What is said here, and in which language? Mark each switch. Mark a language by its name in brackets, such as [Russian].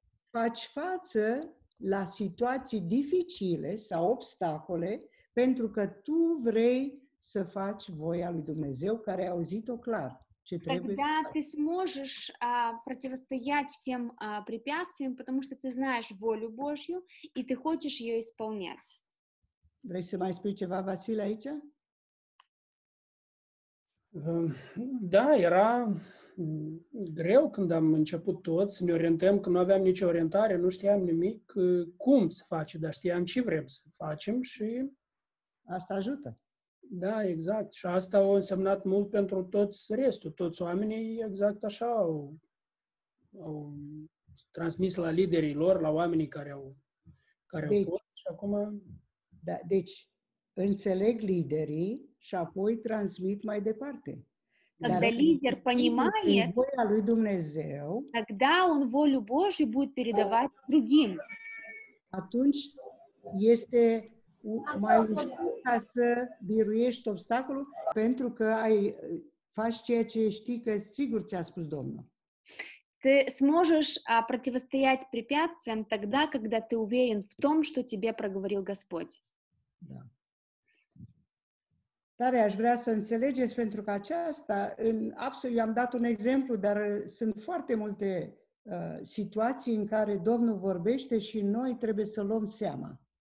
[Romanian] faci față la situații dificile sau obstacole pentru că tu vrei să faci voia lui Dumnezeu, care a auzit-o clar ce trebuie. [Russian] Когда ты сможешь противостоять всем препятствиям, потому что ты знаешь волю Божью и ты хочешь ее исполнять. [Romanian] Vrei să mai spui ceva, Vasile, aici? Da, era greu când am început tot să ne orientăm, că nu aveam nicio orientare, nu știam nimic cum să facem, dar știam ce vrem să facem și... Asta ajută. Da, exact. Și asta a însemnat mult pentru toți restul. Toți oamenii exact așa au transmis la liderii lor, la oamenii care au fost și acum... Da, deci, înțeleg liderii și apoi transmit mai departe. [Russian] Когда лидер понимает, воля лю Dumnezeu, тогда он волю Божию будет передавать другим. [Romanian] Atunci este mai ușor ca să biruiești obstacolul pentru că ai faci ceea ce știi că sigur ți-a spus Domnul. [Russian] Ты сможешь противостоять препятствиям тогда, когда ты уверен в том, что тебе проговорил Господь. [Romanian] Da. Dar aș vrea să înțelegeți, pentru că aceasta, absolut, i-am dat un exemplu, dar sunt foarte multe situații în care Domnul vorbește și noi trebuie să luăm seama.